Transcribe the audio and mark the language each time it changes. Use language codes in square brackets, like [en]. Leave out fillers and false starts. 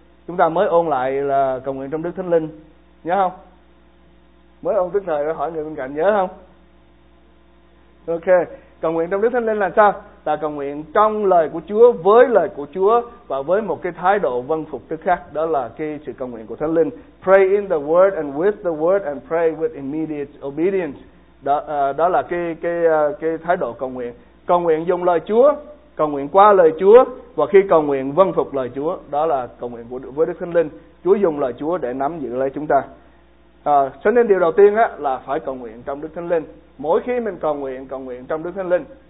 [vi] Chúng ta mới ôn lại là cầu nguyện trong Đức Thánh Linh, nhớ không? Mới ôn tức thời rồi hỏi người bên cạnh, nhớ không? Ok, cầu nguyện trong Đức Thánh Linh là sao? Là cầu nguyện trong lời của Chúa, với lời của Chúa và với một cái thái độ vâng phục tức khắc. Đó là cái sự cầu nguyện của Thánh Linh. [en] Pray in the Word and with the Word and pray with immediate obedience. [vi] Đó là cái thái độ cầu nguyện. Cầu nguyện dùng lời Chúa, cầu nguyện qua lời Chúa, và khi cầu nguyện vâng phục lời Chúa, đó là cầu nguyện với Đức Thánh Linh. Chúa dùng lời Chúa để nắm giữ lấy chúng ta. Cho nên điều đầu tiên á là phải cầu nguyện trong Đức Thánh Linh. Mỗi khi mình cầu nguyện trong Đức Thánh Linh.